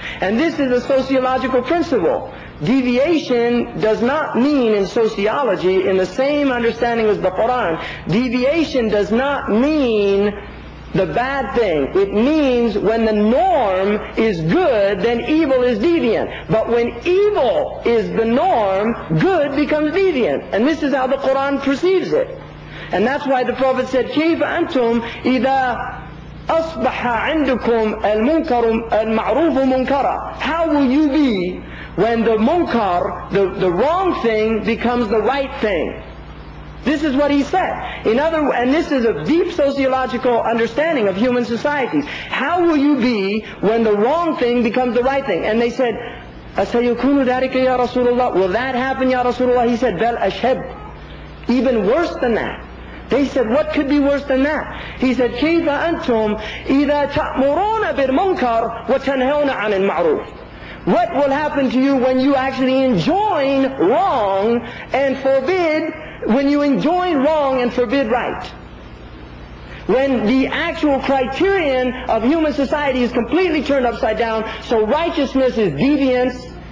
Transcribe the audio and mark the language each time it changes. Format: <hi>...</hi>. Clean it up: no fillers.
<en>And this is a sociological principle. Deviation does not mean in sociology, in the same understanding as the Quran, deviation does not mean the bad thing. It means when the norm is good, then evil is deviant. But when evil is the norm, good becomes deviant. And this is how the Quran perceives it. And that's why the Prophet said,</en> <ar>كَيْفَ أَنْتُمْ إِذَا أَصْبَحَ عِنْدُكُمْ الْمُنْكَرُ الْمَعْرُوفُ مُنْكَرًا.</ar> <en>How will you be when the munkar, the wrong thing, becomes the right thing? This is what he said. In other words, and this is a deep sociological understanding of human society. How will you be when the wrong thing becomes the right thing? And they said,</en> <ar>أَسَيُكُونُ ذَلِكَ يَا رَسُولُ اللَّهِ.</ar> <en>Will that happen,</en> <ar>يَا رَسُولُ اللَّهِ?</ar> <en>He said,</en> <ar>بَلْ أَشَبْ.</ar> <en>Even worse than that. They said, what could be worse than that? He said,</en> <ar>كَيْفَ أَنْتُمْ إِذَا تَأْمُرُونَ بِالْمُنْكَرْ وَتَنْهَوْنَ عَنِ الْمَعْرُوفِ.</ar> <en>What will happen to you when you actually enjoin wrong and forbid, when you enjoin wrong and forbid right? When the actual criterion of human society is completely turned upside down, so righteousness is deviance,</en>